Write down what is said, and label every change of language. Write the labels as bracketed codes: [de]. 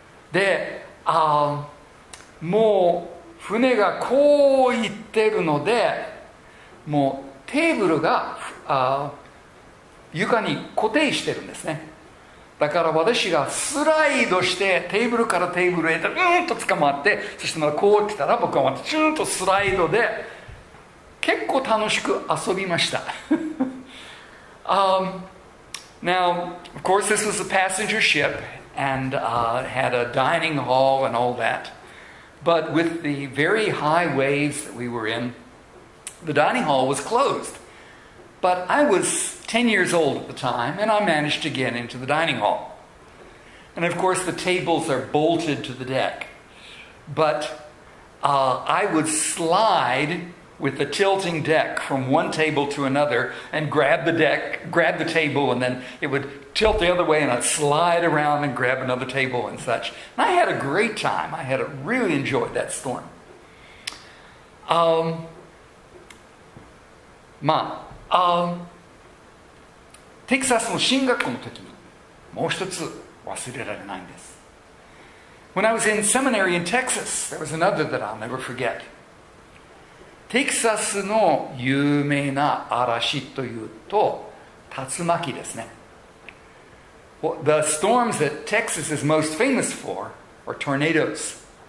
[ja] で、もう船がこう行ってるので、もうテーブルが床に固定してるんですね。だから私がスライドしてテーブルからテーブルへとうんと捕まって、そしてまたこう来たら僕はまたチューンとスライドで結構楽しく遊びました。 [en] Now of course this was a passenger ship and had a dining hall and all thatBut with the very high waves that we were in, the dining hall was closed. But I was 10 years old at the time, and I managed to get into the dining hall. And of course, the tables are bolted to the deck. But I would slide with the tilting deck from one table to another and grab the table, and then it would tilt the other way and I'd slide around and grab another table and such. And I had a great time. I had really enjoyed that storm. [ja] テキサスの進学校の時にもう一つ忘れられないんです。 [en] When I was in seminary in Texas, there was another that I'll never forget. [ja] テキサスの有名な嵐というと竜巻ですね。 [en] Well, the storms that Texas is most famous for are tornadoes.